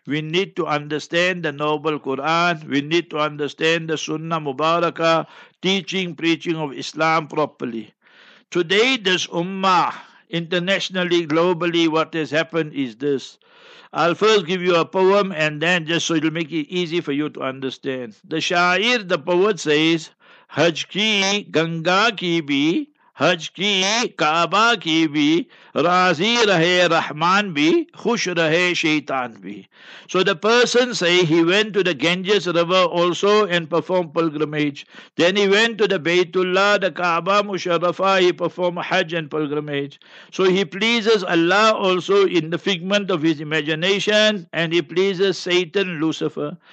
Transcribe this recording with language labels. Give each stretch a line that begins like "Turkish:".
English: We need to understand the noble Quran. We need to understand the Sunnah Mubarakah, teaching, preaching of Islam properly. Today, this ummah, internationally, globally, what has happened is this. I'll first give you a poem and then just so it'll make it easy for you to understand. The Shair, the poet says,
Urdu: Haj ki Ganga ki bhi, حج کی کعبہ کی بھی راضی رہے رحمان بھی خوش رہے شیطان بھی.
English: So the person say he went to the Ganges river also and performed pilgrimage. Then he went to the Baytullah, the Kaaba Musharrafah, he performed Hajj and pilgrimage. So he pleases Allah also in the figment of his imagination, and he pleases Satan, Lucifer.